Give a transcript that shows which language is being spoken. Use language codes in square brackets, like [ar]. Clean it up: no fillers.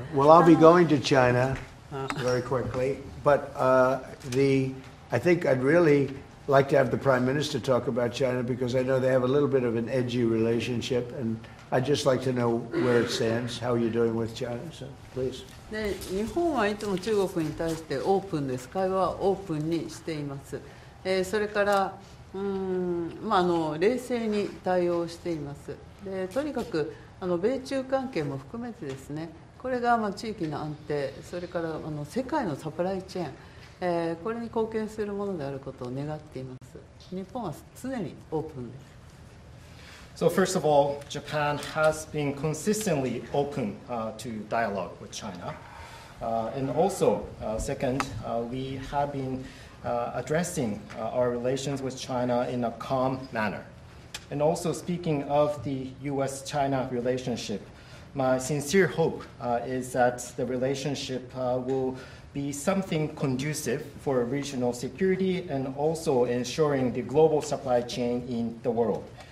[en] Well, I'll be going to China very quickly, but I think I'd really like to have the Prime Minister talk about China, because I know they have a little bit of an edgy relationship, and I'd just like to know where it stands, how you're doing with China. So, please. [ja] で、日本はいつも中国に対してオープンです。会話をオープンにしています。それから、冷静に対応しています。で、とにかく米中関係も含めてですね、これが地域の安定、それから世界のサプライチェーン、これに貢献するものであることを願っています。日本は常にオープンです。 [en] So first of all, Japan has been consistently open to dialogue with China. And also, second, we have been addressing our relations with China in a calm manner. And also, speaking of the U.S.-China relationship,My sincere hope is that the relationship will be something conducive for regional security and also ensuring the global supply chain in the world.